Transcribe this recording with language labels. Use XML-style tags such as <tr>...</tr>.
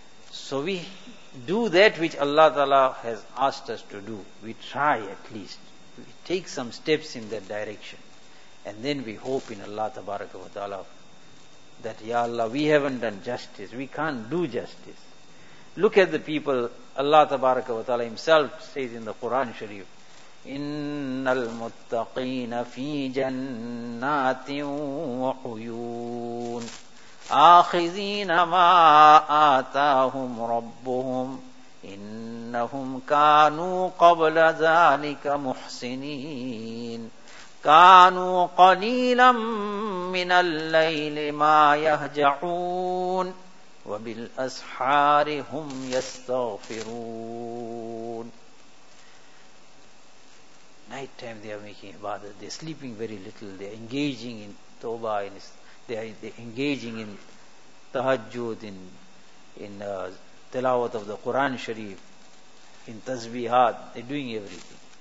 <en>So we do that which Allah Ta'ala has asked us to do. We try at least. We take some steps in that direction. And then we hope in Allah Tabaraka wa Ta'ala that, Ya Allah, we haven't done justice. We can't do justice. Look at the people. Allah Tabaraka wa Ta'ala himself says in the Quran Sharif,</en> <ar>إِنَّ الْمُتَّقِينَ فِي جَنَّاتٍ وَعُيُونَ آخِذِينَ مَا آتَاهُمْ رَبُّهُمْ إِنَّهُمْ كَانُوا قَبْلَ ذَلِكَ مُحْسِنِينَ كانوا قليلا من الليل ما يهجعون وبالأسحار هم يستغفرون.</ar> <en>Night time they are making ibadah, they are sleeping very little, they are engaging in tawbah, they are engaging in tahajjud, in tilawat of the Quran Sharif, in tasbihat, they are doing everything.</en>